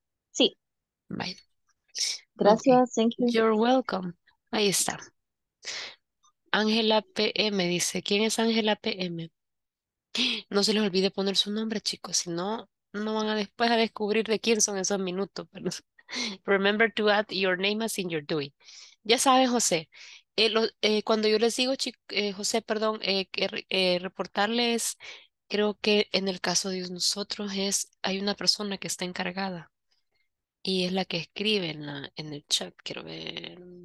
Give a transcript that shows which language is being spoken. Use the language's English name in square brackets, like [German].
[Spanish] Sí. [English] Bye. [Spanish] Gracias, [English] okay. Thank you. You're welcome. [Spanish] Ahí está. Ángela PM dice, ¿quién es Ángela PM? No se les olvide poner su nombre, chicos, si no, no van a después a descubrir de quién son esos minutos. Pero... [English] Remember to add your name as in your DUI. [Spanish] Ya saben, José, cuando yo les digo, José, perdón, reportarles, creo que en el caso de nosotros hay una persona que está encargada y es la que escribe en el chat, quiero ver...